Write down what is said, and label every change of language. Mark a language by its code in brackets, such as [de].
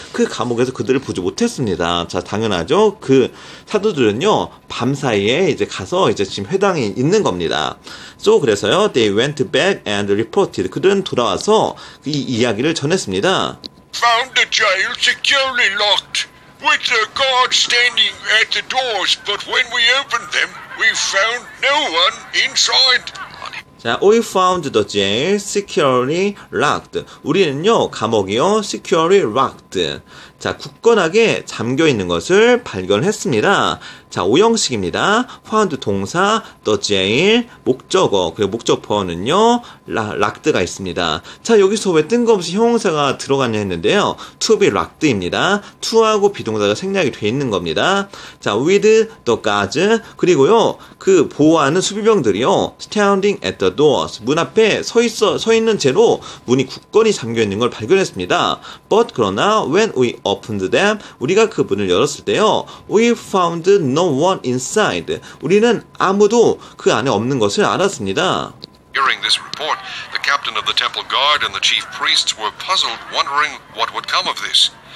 [ko] 그 감옥에서 그들을 보지 못했습니다. 자, 당연하죠. 그 사도들은요 밤 사이에 이제 가서 이제 지금 회당이 있는 겁니다. [en] So [ko] 그래서요 [en] they went back and reported. [ko] 그들은 돌아와서 이 이야기를 전했습니다. [en] Found the jail securely locked. With the guard standing at the doors, but when we opened them, we found no one inside. 자, we found the jail securely locked. [ko] 우리는요, 감옥이요, [en] securely locked. [ko] 자, 굳건하게 잠겨 있는 것을 발견했습니다. 자, 오형식입니다. found 동사, the jail, 목적어, 그리고 목적어는요, locked가 있습니다. 자, 여기서 왜 뜬금없이 형용사가 들어갔냐 했는데요. [en] to be locked입니다. [ko] to하고 비동사가 생략이 되어 있는 겁니다. 자, with the guards, 그리고요, 그 보호하는 수비병들이요, [en] standing at the doors, [ko] 문 앞에 서 있는 채로 문이 굳건히 잠겨 있는 걸 발견했습니다. [en] But, 그러나, when we opened them, [ko] 우리가 그 문을 열었을 때요, [en] we found no one inside. [ko] 우리는 아무도 그 안에 없는 것을 알았습니다. [en] Hearing this report, the captain of the temple guard and the chief priests were puzzled, wondering what would come of this.